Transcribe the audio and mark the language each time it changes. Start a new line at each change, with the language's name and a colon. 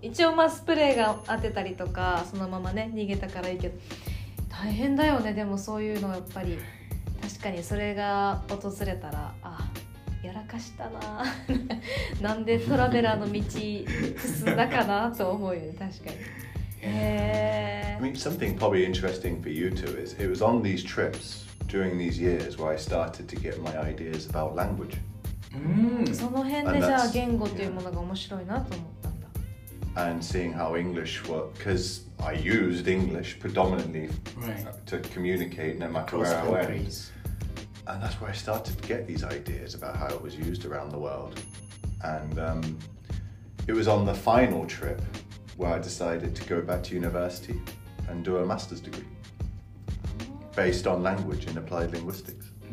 Japanese: 一応まあスプレーが当てたりとか、そのままね逃げたからいいけど、大変だよね。でもそういうのやっぱり。確かにそれが訪れたら、あ、やらかしたな。なんでトラベラーの道進んだかなと思うよね、確かに。
English: I mean, something probably interesting for you two is it was on these trips during these years where I started to get my ideas about language.
Japanese: その辺でじゃあ言語というものが面白いなと思ったんだ。
English: And seeing how English worked, because I used English predominantly to communicate no matter where I went. And that's where I started to get these ideas about how it was used around the world. And it was on the final trip where I decided to go back to university and do a master's degree based on language and applied linguistics.